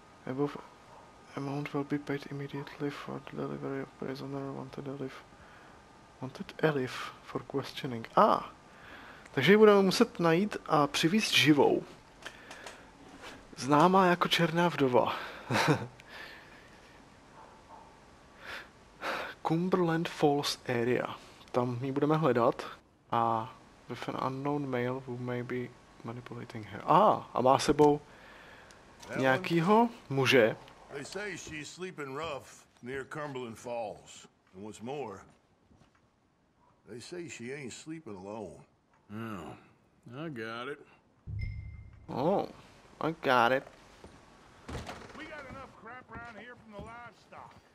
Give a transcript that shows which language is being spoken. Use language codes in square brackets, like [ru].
[en] Above amount will be paid immediately for delivery of prisoner wanted elif. Wanted elif for questioning, ah. [cs] Takže ji budeme muset najít a přivést živou. Známá jako Černá vdova. [en] Cumberland Falls area. [cs] Tam ji budeme hledat. [en] A with an unknown male who may be manipulating her. [cs] A má sebou nějakýho muže. [en] They say she's sleeping rough near Cumberland Falls. And what's more, they say she ain't sleeping alone. Oh, I got it. Oh, I got it. We got enough crap around here from the livestock.